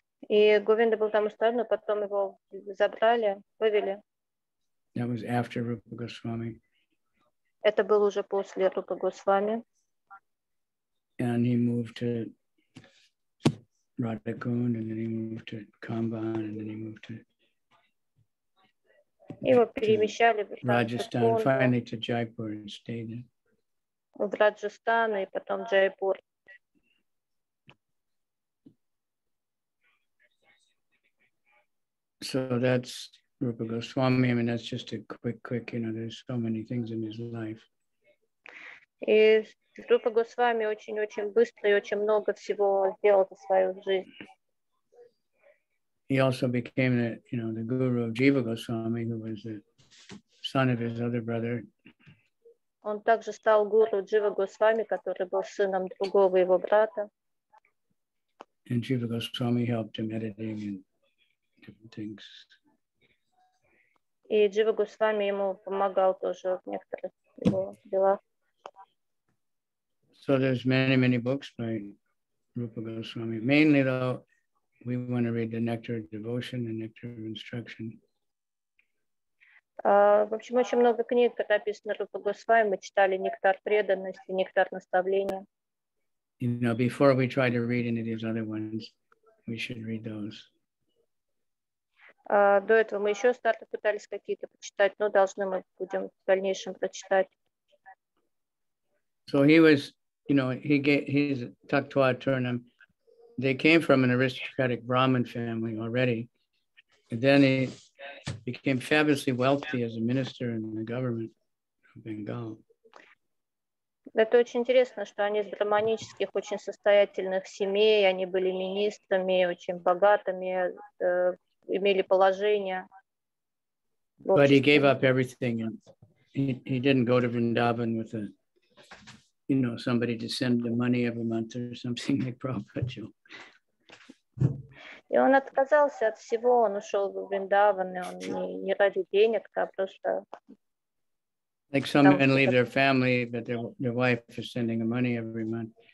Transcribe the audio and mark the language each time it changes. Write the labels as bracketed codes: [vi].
[ru] И Говинда был там устроен, но потом его забрали, вывели. [en] That was after Rupa Goswami. [ru] Это было уже после Рупы Госвами. [en] And he moved to Radhakund, and then he moved to Kamban, and then he moved to [ru] его перемещали в Раджастан, [en] finally to Jaipur and stayed there. [ru] В Раджастан и потом Джайпур. [en] So that's Rupa Goswami. I mean, that's just a quick, you know, there's so many things in his life. [ru] И Рупа Госвами очень-очень быстро и очень много всего сделал за свою жизнь. [en] He also became the, you know, the guru of Jiva Goswami, who was the son of his other brother. [ru] Он также стал гуру Джива Госвами, который был сыном другого его брата. [en] And Jiva Goswami helped him editing and different things. [ru] И Джива Госвами ему помогал тоже в некоторых его делах. [en] So there's many, many books by Rupa Goswami. Mainly, though, we want to read the Nectar of Devotion and Nectar of Instruction. [ru] В общем, очень много книг, которые написаны Рупа Госвами. Мы читали Нектар преданности, Нектар наставления. [en] You know, before we try to read any of these other ones, we should read those. [ru] До этого мы еще старты пытались какие-то почитать, но должны мы будем в дальнейшем прочитать. [en] So he was. You know, he gave his taktwa turnam. They came from an aristocratic Brahmin family already. And then he became fabulously wealthy as a minister in the government of Bengal. [ru] Это очень интересно, что они из брахманических, очень состоятельных семей, они были министрами, очень богатыми, имели положение. [en] But he gave up everything, and he didn't go to Vrindavan with a. You know, somebody to send the money every month or something like Prabhupada. [ru] И он отказался от всего. Он ушел в Вриндаван, и он не ради денег, а просто. [en] Like some men leave their family, but their wife is sending them money every month.